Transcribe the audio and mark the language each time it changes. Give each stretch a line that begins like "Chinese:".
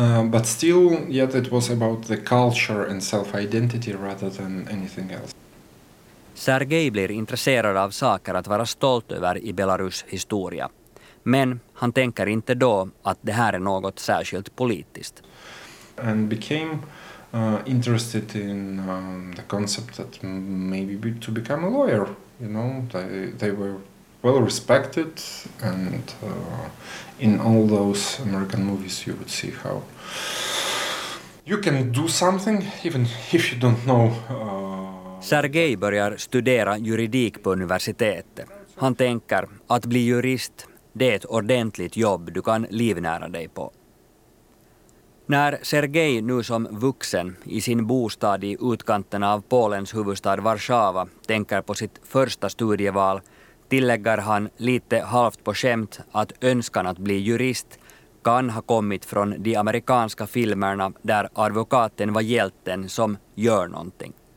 English: But still, yet it was about the culture and self-identity rather than anything else.
Swedish: Sergej blir intresserad av saker att vara stolt över i Belarus historia. Men han tänker inte då att det här är något särskilt politiskt.
English: And became interested in the concept that maybe to become a lawyer, you know, they were well respected, and in all those American movies you would see how you can do something even if you don't know.
Swedish: Sergej börjar studera juridik på universitetet. Han tänker att bli jurist, det är ett ordentligt jobb du kan livnära dig på. När Sergej nu som vuxen i sin bostad i utkanten av Polens huvudstad Warszawa tänker på sitt första studieval tillägger han lite halvt på skämt att önskan att bli jurist kan ha kommit från de amerikanska filmerna där advokaten var hjälten som gör någonting.